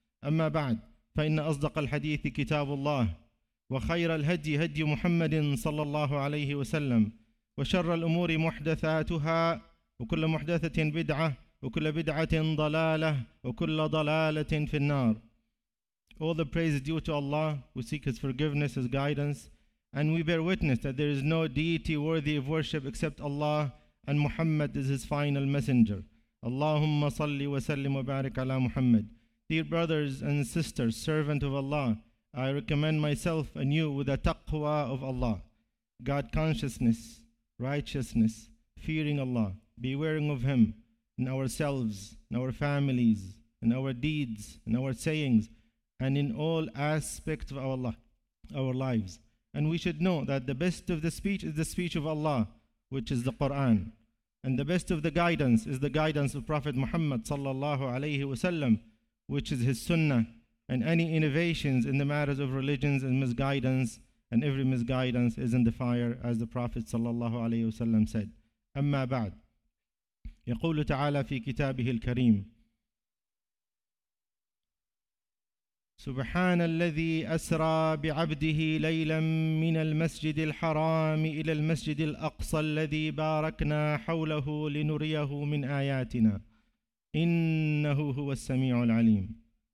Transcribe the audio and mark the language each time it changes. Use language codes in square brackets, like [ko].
[ar] أما بعد، فإن أصدق الحديث كتاب الله، وخير الهدي هدي محمد صلى الله عليه وسلم، وشر الأمور محدثاتها، وكل محدثة بدعة، وكل بدعة ضلالة، وكل ضلالة في النار. [en] All the praise is due to Allah, who seeks His forgiveness, His guidance, and we bear witness that there is no deity worthy of worship except Allah, and Muhammad is His final messenger. Allahumma salli wa sallim wa barik ala Muhammad. Dear brothers and sisters, servant of Allah, I recommend myself anew with the taqwa of Allah, God consciousness, righteousness, fearing Allah, bewaring of Him in ourselves, in our families, in our deeds, in our sayings, and in all aspects of our lives. And we should know that the best of the speech is the speech of Allah, which is the Quran. And the best of the guidance is the guidance of Prophet Muhammad sallallahu alayhi wasallam, which is his sunnah. And any innovations in the matters of religions and misguidance, and every misguidance is in the fire, as the Prophet sallallahu alayhi wasallam said. [ar] أما بعد، يقول تعالى في كتابه الكريم: سبحان الذي أسرى بعبده ليلا من المسجد الحرام إلى المسجد الأقصى الذي باركنا حوله لنريه من آياتنا إنه هو السميع العليم.